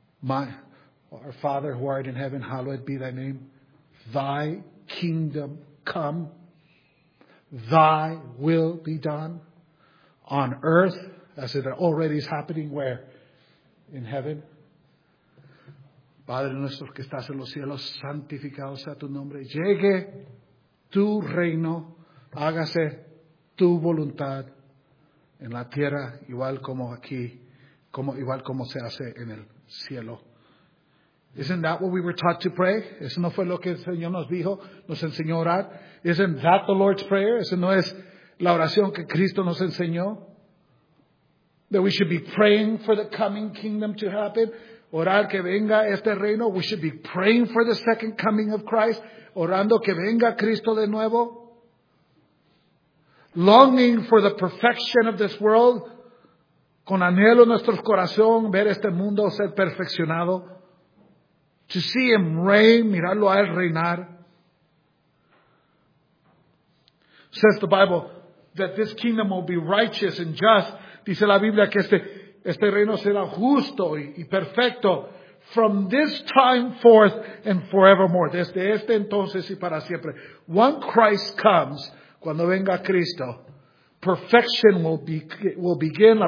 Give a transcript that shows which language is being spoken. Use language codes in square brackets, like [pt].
[en] Our Father who art in heaven, hallowed be thy name. Thy kingdom come. Thy will be done. On earth, as it already is happening, where? In heaven. [es] Padre nuestro que estás en los cielos, santificado sea tu nombre. Llegue tu reino, hágase tu voluntad en la tierra, igual como aquí, igual como se hace en el cielo. [en] Isn't that what we were taught to pray? [es] ¿Eso no fue lo que el Señor nos dijo, nos enseñó a orar? [en] Isn't that the Lord's Prayer? [es] ¿Eso no es la oración que Cristo nos enseñó? [en] That we should be praying for the coming kingdom to happen. [es] Orar que venga este reino. [en] We should be praying for the second coming of Christ. [es] Orando que venga Cristo de nuevo. [en] Longing for the perfection of this world. [es] Con anhelo en nuestro corazón ver este mundo ser perfeccionado. [en] To see him reign, [es] mirarlo a él reinar. [en] Says the Bible that this kingdom will be righteous and just. [es] Dice la Biblia que este reino será justo y perfecto. [en] From this time forth and forevermore. [es] Desde este entonces y para siempre. [en] When Christ comes, [es] cuando venga Cristo, [en] perfection will begin.